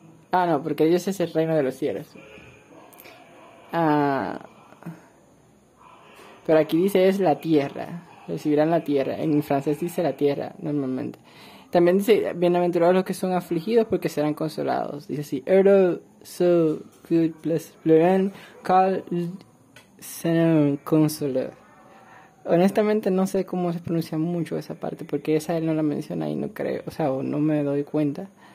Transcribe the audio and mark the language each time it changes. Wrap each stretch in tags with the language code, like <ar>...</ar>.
<es>Ah, no, porque Dios es el reino de los cielos. Ah, pero aquí dice es la tierra, recibirán la tierra, en francés dice la tierra normalmente. También dice, bienaventurados los que son afligidos porque serán consolados. Dice así,</es> <fr>heureux ceux qui pleurent car seront consolés.</fr> <es>Honestamente no sé cómo se pronuncia mucho esa parte porque esa él no la menciona y no creo, o sea, no me doy cuenta.</es>